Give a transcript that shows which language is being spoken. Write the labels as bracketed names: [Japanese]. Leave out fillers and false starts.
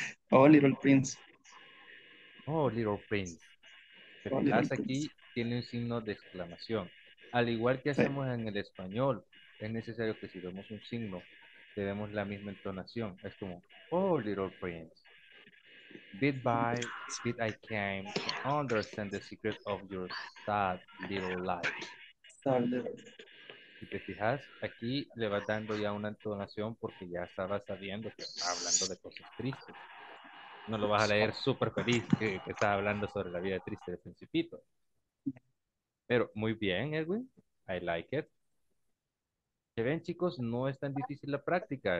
[English] Oh, Little Prince. Oh, Little Prince. [Spanish] Te fijas aquí, tiene un signo de exclamación. Al igual que hacemos en el español. Es necesario que si vemos un signo, le demos la misma entonación. Es como, [English] oh, little prince. Bit by bit I came to understand the secret of your sad little life. Sad. [Spanish] Si te fijas, aquí le va dando ya una entonación porque ya estaba sabiendo que está hablando de cosas tristes. No lo vas a leer súper feliz que está hablando sobre la vida triste de Principito. Pero muy bien, Edwin. [English] I like it. [Spanish] Se ven, chicos, no es tan difícil la práctica.